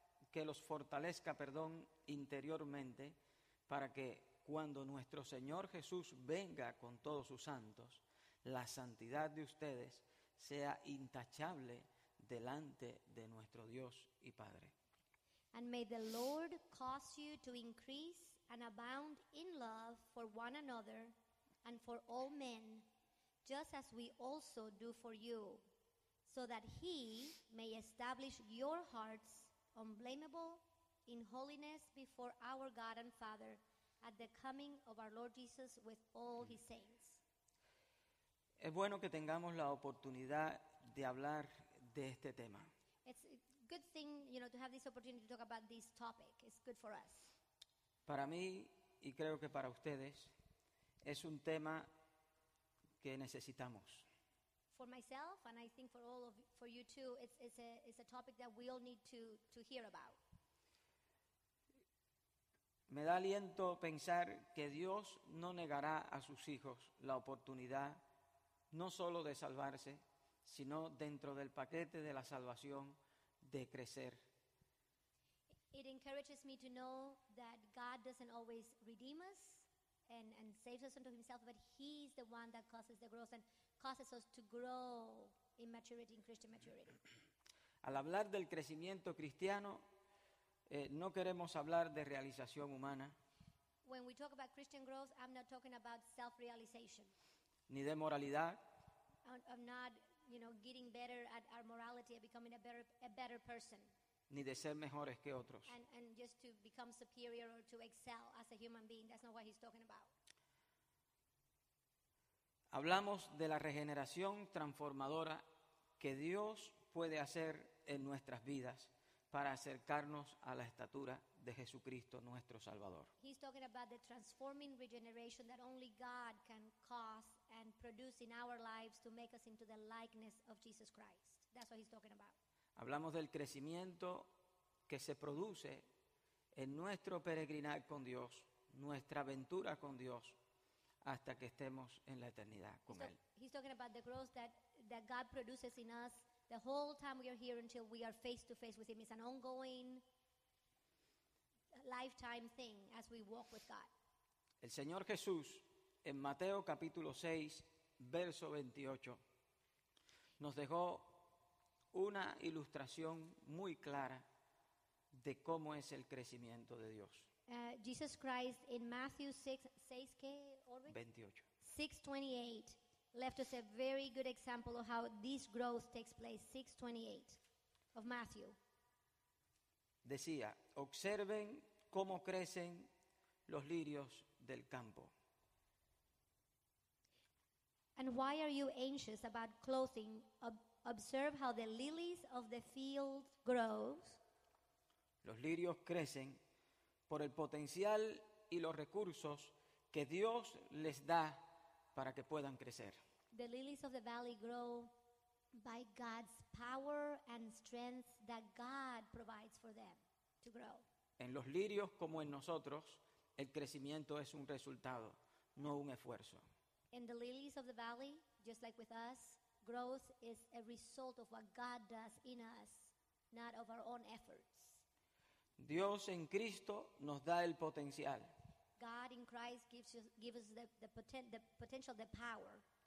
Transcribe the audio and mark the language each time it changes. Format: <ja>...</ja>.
<es>Que los fortalezca, interiormente, para que cuando nuestro Señor Jesús venga con todos sus santos, la santidad de ustedes sea intachable delante de nuestro Dios y Padre.</es> <en>And may the Lord cause you to increase and abound in love for one another and for all men, just as we also do for you, so that he may establish your hearts unblameable in holiness before our God and Father at the coming of our Lord Jesus with all his saints.</en> <es>Es bueno que tengamos la oportunidad de hablar de este tema.</es> <en>It's a good thing, you know, to have this opportunity to talk about this topic. It's good for us.</en> <es>Para mí, y creo que para ustedes, es un tema que necesitamos.</es> <en>For myself, and I think for all of for you too, it's a topic that we all need to hear about.</en> <es>Me da aliento pensar que Dios no negará a sus hijos la oportunidad no solo de salvarse, sino dentro del paquete de la salvación de crecer.</es> <en>It encourages me to know that God doesn't always redeem us and saves us unto himself, but he's the one that causes the growth and causes us to grow in maturity, in Christian maturity.</en> <es>Al hablar del crecimiento cristiano, no queremos hablar de realización humana.</es> <en>When we talk about Christian growth, I'm not talking about self-realization.</en> <es>Ni de moralidad.</es> <en>I'm not, you know, getting better at our morality and becoming a better person.</en> <es>Ni de ser mejores que otros.</es> <en>And just to become superior or to excel as a human being, that's not what he's talking about.</en> <es>Hablamos de la regeneración transformadora que Dios puede hacer en nuestras vidas para acercarnos a la estatura de Jesucristo, nuestro Salvador.</es> <en>He's talking about the transforming regeneration that only God can cause and produce in our lives to make us into the likeness of Jesus Christ. That's what he's talking about.</en> <es>Hablamos del crecimiento que se produce en nuestro peregrinar con Dios, nuestra aventura con Dios, hasta que estemos en la eternidad con Él.</es> <en>He's talking about the growth that God produces in us the whole time we are here until we are face to face with Him. It's an ongoing lifetime thing as we walk with God.</en> <es>El Señor Jesús, en Mateo capítulo 6, verso 28, nos dejó una ilustración muy clara de cómo es el crecimiento de Dios.</es> <en>Jesus Christ in Matthew 6:28 left us a very good example of how this growth takes place. 6:28 of Matthew.</en> <es>Decía, observen cómo crecen los lirios del campo.</es> <en>And why are you anxious about clothing? Observe how the lilies of the field grow.</en> <es>Los lirios crecen por el potencial y los recursos que Dios les da para que puedan crecer.</es> <en>The lilies of the valley grow by God's power and strength that God provides for them to grow.</en> <es>En los lirios, como en nosotros, el crecimiento es un resultado, no un esfuerzo.</es> <en>In the lilies of the valley, just like with us, growth is a result of what God does in us, not of our own efforts.</en> <es>Dios en Cristo nos da el potencial.</es> <en>God in Christ gives us the potential, the power.</en>